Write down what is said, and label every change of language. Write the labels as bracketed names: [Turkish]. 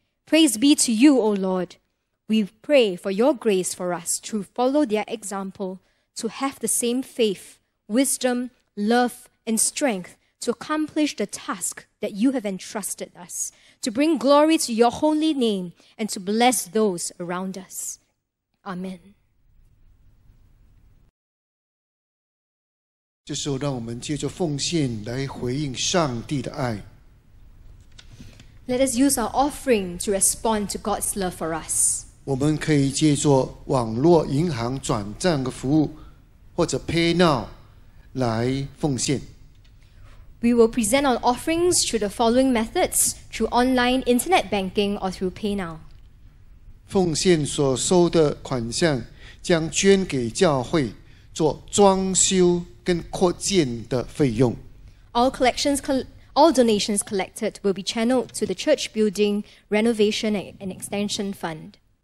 [English] Praise be to you, O Lord. We pray for your grace for us to follow their example, to have the same faith, wisdom, love, and strength to accomplish the task that you have entrusted us, to bring glory to your holy name and to bless those around us. Amen. [Chinese] 这时候让我们借着奉献来回应上帝的爱。 [English] Let us use our offering to respond to God's love for us. [Chinese] 我们可以借着网络银行转账的服务或者 PayNow 来奉献。 [English] We will present our offerings through the following methods, through online internet banking or through PayNow. [Chinese] 奉献所收的款项将捐给教会做装修跟扩建的费用。 [English] All donations collected will be channeled to the church building renovation and extension fund.